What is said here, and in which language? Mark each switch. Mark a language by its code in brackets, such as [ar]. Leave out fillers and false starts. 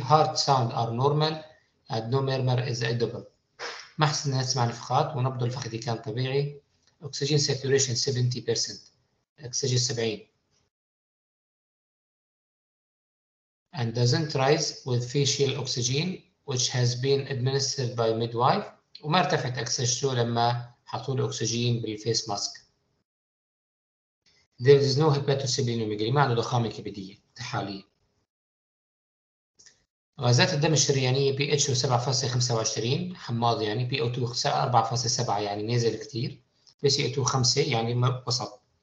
[en] Heart sound are normal and no murmur is audible. [ar] ما حسنا نسمع نفخات ونبض الفخذي كان طبيعي. [en] Oxygen saturation 70%. Oxygen 70. And doesn't rise with facial oxygen which has been administered by midwife. [ar] وما ارتفعت أكسجته لما حطوا له أكسجين بالفيس ماسك. [en] There is no hepatosplenomegaly. [ar] ما عنده ضخامة كبدية تحاليل. غازات الدم الشريانية pH 7.25 حماض، يعني pO2 4.7 يعني نازل كتير، pCO2 5 يعني وسط.